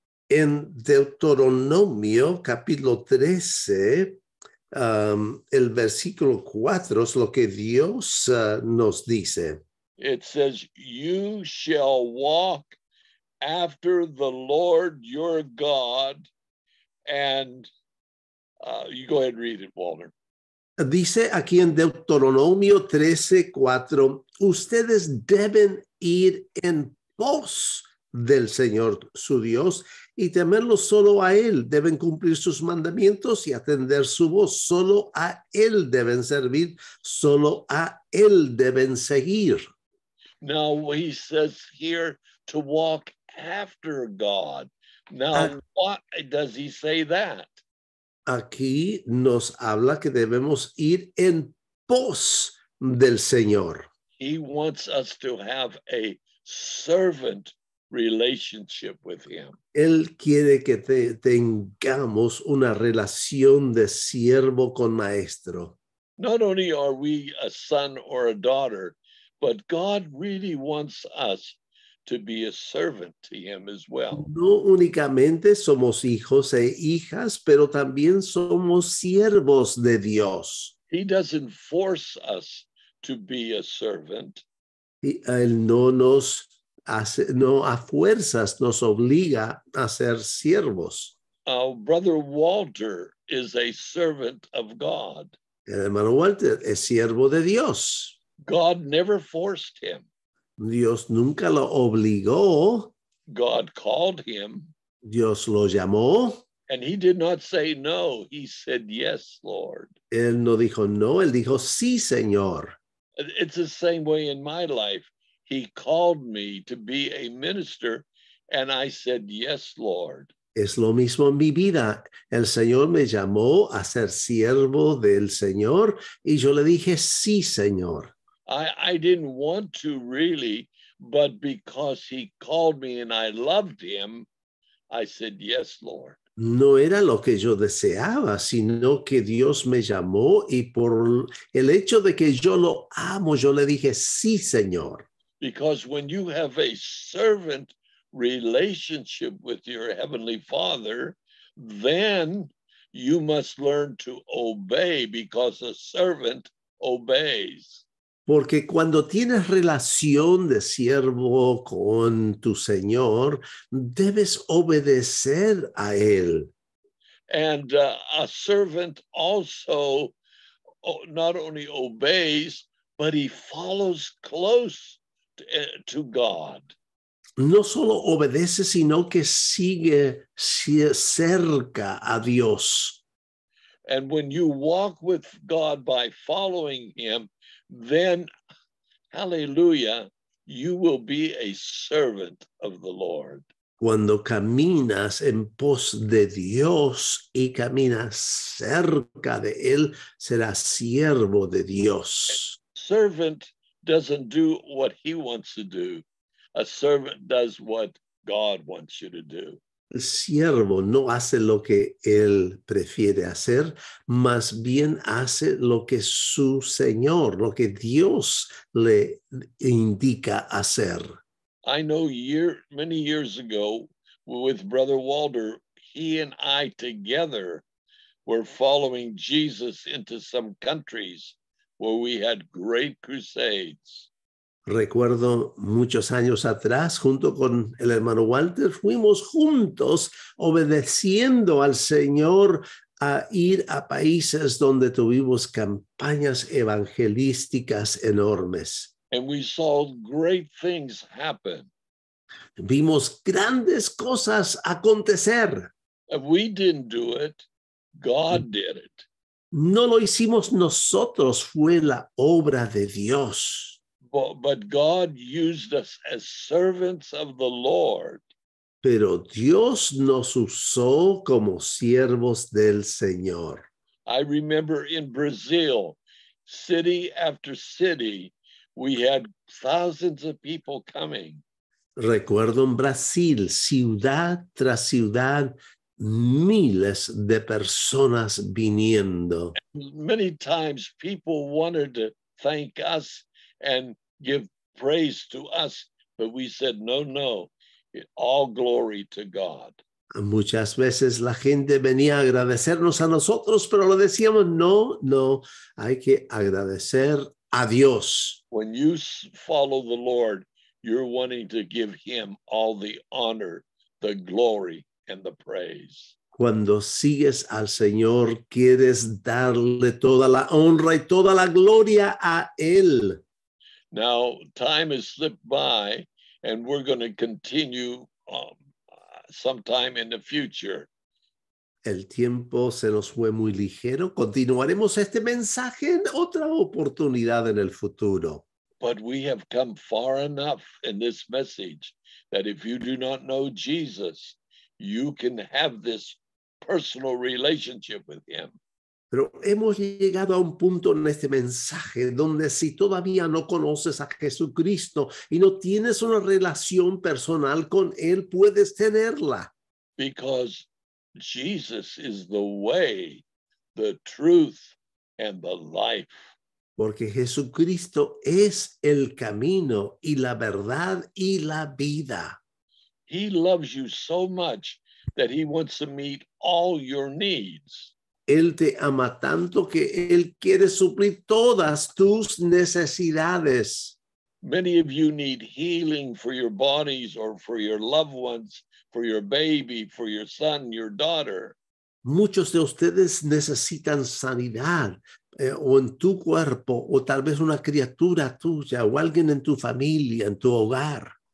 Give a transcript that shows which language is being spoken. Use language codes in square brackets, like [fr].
[es] En Deuteronomio, capítulo 13, el versículo 4 es lo que Dios nos dice. [en] It says, you shall walk after the Lord your God. And you go ahead and read it, Walter. [es] Dice aquí en Deuteronomio 13:4, ustedes deben ir en pos del Señor su Dios y temerlo solo a él. Deben cumplir sus mandamientos y atender su voz. Solo a él deben servir, solo a él deben seguir. [en] Now he says here to walk after God. Now why does he say that? [es] Aquí nos habla que debemos ir en pos del Señor. [en] He wants us to have a servant relationship with him. [es] Él quiere que tengamos una relación de siervo con maestro. [en] Not only are we a son or a daughter, but God really wants us to be a servant to him as well. [es] No únicamente somos hijos e hijas, pero también somos siervos de Dios. [en] He doesn't force us to be a servant. [es] Él no nos hace, no a fuerzas nos obliga a ser siervos. [en] Our brother Walter is a servant of God. [es] El hermano Walter es siervo de Dios. [en] God never forced him. [es] Dios nunca lo obligó. [en] God called him. [es] Dios lo llamó. [en] And he did not say no. He said, yes, Lord. [es] Él no dijo no. Él dijo, sí, Señor. [en] It's the same way in my life. He called me to be a minister, and I said, yes, Lord. [es] Es lo mismo en mi vida. El Señor me llamó a ser siervo del Señor, y yo le dije, sí, Señor. [en] I didn't want to really, but because he called me and I loved him, I said, yes, Lord. [es] No era lo que yo deseaba, sino que Dios me llamó, y por el hecho de que yo lo amo, yo le dije, sí, Señor. [en] Because when you have a servant relationship with your Heavenly Father, then you must learn to obey, because a servant obeys. [es] Porque cuando tienes relación de siervo con tu Señor, debes obedecer a Él. [en] And a servant also not only obeys, but he follows close to God. [es] No solo obedece, sino que sigue cerca a Dios. [en] And when you walk with God by following him, then, hallelujah, you will be a servant of the Lord. [es] Cuando caminas en pos de Dios y caminas cerca de Él, serás siervo de Dios. [en] A servant doesn't do what he wants to do. A servant does what God wants you to do. [es] El siervo no hace lo que él prefiere hacer, más bien hace lo que su Señor, lo que Dios le indica hacer. [en] I know many years ago with Brother Walter, he and I together were following Jesus into some countries where we had great crusades. [es] Recuerdo muchos años atrás, junto con el hermano Walter, fuimos juntos obedeciendo al Señor a ir a países donde tuvimos campañas evangelísticas enormes. [en] And we saw great things happen. [es] Vimos grandes cosas acontecer. [en] If we didn't do it, God did it. [es] No lo hicimos nosotros, fue la obra de Dios. [en] But God used us as servants of the Lord. [es] Pero Dios nos usó como siervos del Señor. [en] I remember in Brazil, city after city, we had thousands of people coming. [es] Recuerdo en Brasil, ciudad tras ciudad, miles de personas viniendo. [en] Many times people wanted to thank us and give praise to us, but we said, no, no, all glory to God. [es] Muchas veces la gente venía a agradecernos a nosotros, pero lo decíamos, no, no, hay que agradecer a Dios. [en] When you follow the Lord, you're wanting to give him all the honor, the glory, and the praise. [es] Cuando sigues al Señor, quieres darle toda la honra y toda la gloria a Él. [en] Now, time has slipped by, and we're going to continue sometime in the future. [es] El tiempo se nos fue muy ligero. Continuaremos este mensaje en otra oportunidad en el futuro. [en] But we have come far enough in this message that if you do not know Jesus, you can have this personal relationship with him. [es] Pero hemos llegado a un punto en este mensaje donde si todavía no conoces a Jesucristo y no tienes una relación personal con Él, puedes tenerla. [en] Because Jesus is the way, the truth, and the life. [es] Porque Jesucristo es el camino y la verdad y la vida. [en] He loves you so much that he wants to meet all your needs. [es] Él te ama tanto que Él quiere suplir todas tus necesidades. [en] Many of you need healing for your bodies or for your loved ones, for your baby, for your son, your daughter. [es] Muchos de ustedes necesitan sanidad, o en tu cuerpo, o tal vez una criatura tuya, o alguien en tu familia, en tu hogar.